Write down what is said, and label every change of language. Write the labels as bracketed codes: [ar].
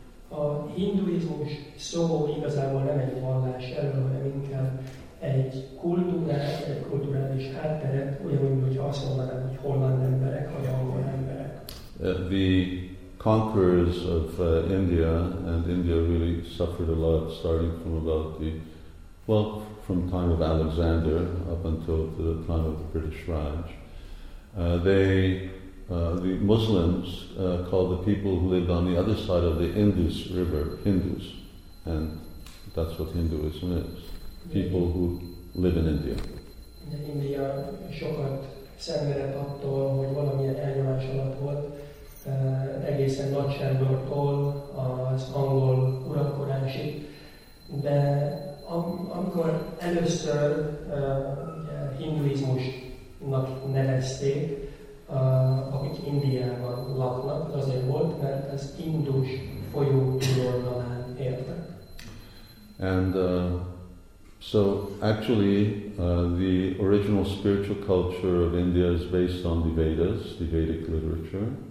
[hu] A hinduizmus szó igazából nem egy vallás erről, hanem inkább egy kultúrát, egy kulturális hátteret, ugyanúgy, hogyha azt mondanám, hogy holland emberek, vagy angol emberek. [en] The conquerors of India, and India really suffered a lot starting from about the, well, from the time of Alexander up until the time of the British Raj. The Muslims called the people who lived on the other side of the Indus River Hindus, and that's what Hinduism is, people who live in India. [hu] India sokat szenvedett attól, hogy valamilyen elnyomás alatt volt, egészen Nagyságbortól az angol uralkodásig, de amikor először hinduizmusnak nevezték, akik Indiában laknak, azért volt, mert az Indus folyó oldalán éltek. [en] And so actually the original spiritual culture of India is based on the Vedas, the Vedic literature.